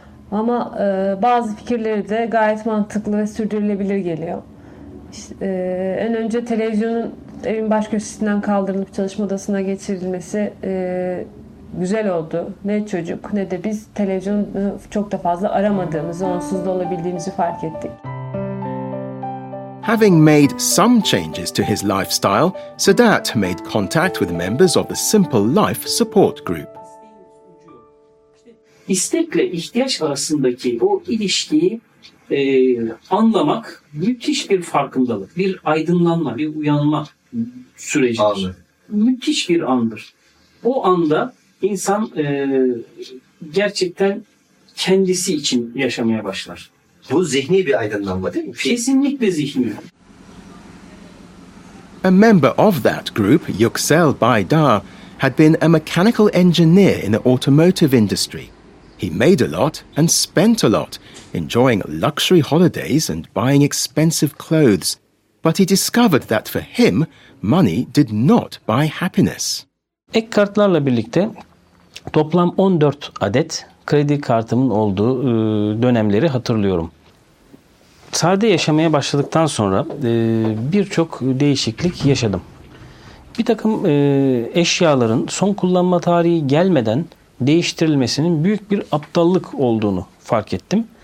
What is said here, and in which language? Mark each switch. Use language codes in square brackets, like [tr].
[tr] Ama bazı fikirleri de gayet mantıklı ve sürdürülebilir geliyor. İşte, en önce televizyonun evin baş köşesinden kaldırılıp çalışma odasına geçirilmesi güzel oldu. Ne çocuk ne de biz televizyonu çok da fazla aramadığımızı, onsuz da olabildiğimizi fark ettik. [en] Having made some changes to his lifestyle, Sadat made contact with members of the Simple Life support group. [tr] İstekle ihtiyaç arasındaki o ilişkiyi anlamak müthiş bir farkındalık, bir aydınlanma, bir uyanma süreci. Abi. Müthiş bir andır. O anda insan gerçekten kendisi için yaşamaya başlar. Bu zihni bir aydınlanma değil mi? Kesinlikle zihni. [en] A member of that group, Yüksel Baydar, had been a mechanical engineer in the automotive industry. He made a lot and spent a lot, enjoying luxury holidays and buying expensive clothes. But he discovered that for him, money did not buy happiness. [tr] Ek kartlarla birlikte toplam 14 adet kredi kartımın olduğu dönemleri hatırlıyorum. Sade yaşamaya başladıktan sonra birçok değişiklik yaşadım. Bir takım eşyaların son kullanma tarihi gelmeden değiştirilmesinin büyük bir aptallık olduğunu fark ettim.